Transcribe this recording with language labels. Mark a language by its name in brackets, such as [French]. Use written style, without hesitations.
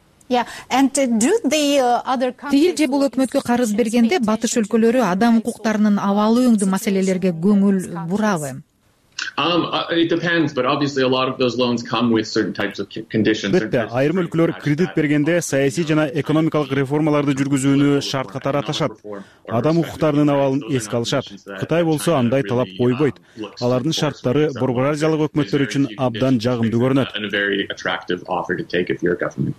[Kyrgyz] Тигил же бул өкмөткө карыз бергенде батыш өлкөлөрү адам укуктарынын абалы өңдүү маселелерге көңүл бурабы? [English] It depends, but obviously a lot of those loans come with certain types of conditions. [Kyrgyz] Бирде айрым өлкөлөр кредит бергенде саясий жана экономикалык реформаларды жүргүзүүнү шарт катары аташат. Адам укуктарынын абалын эске алышат. Кытай болсо андай талап койбойт. Алардын шарттары Борбор Азиялык өкмөттөр үчүн абдан жагымдуу көрүнөт.